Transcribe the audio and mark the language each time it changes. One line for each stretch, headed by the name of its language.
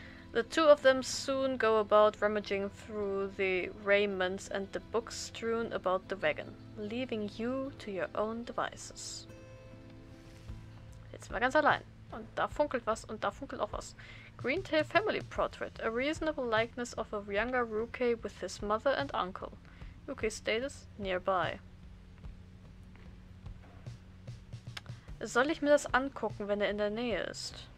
English: The two of them soon go about rummaging through the raiments and the books strewn about the wagon, leaving you to your own devices.
German: Jetzt mal ganz allein. Und da funkelt was und da funkelt auch was.
English: Greentail family portrait, a reasonable likeness of a younger Rookie with his mother and uncle. Rookie status nearby.
German: Soll ich mir das angucken, wenn er in der Nähe ist?